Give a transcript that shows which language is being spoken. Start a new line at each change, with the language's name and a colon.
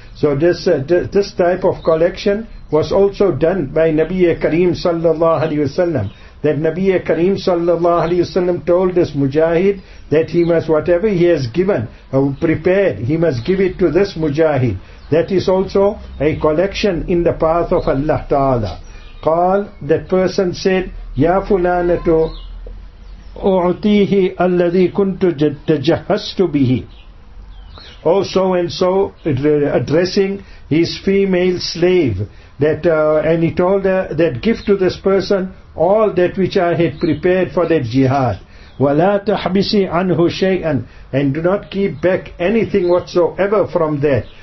English: So this type of collection was also done by Nabi Kareem sallallahu alayhi wasallam. That Nabi Kareem sallallahu alayhi wasallam told this mujahid that he must, whatever he has given or prepared, he must give it to this mujahid. That is also a collection in the path of Allah Ta'ala.
Arabic: قال,
English: that person said,
Arabic: يا فلانة أعطيه الذي كنت تجهست به.
English: Also and so, addressing his female slave, that and he told her that give to this person all that which I had prepared for that jihad.
Arabic: ولا تحبسي عنه شيئا,
English: and do not keep back anything whatsoever from that.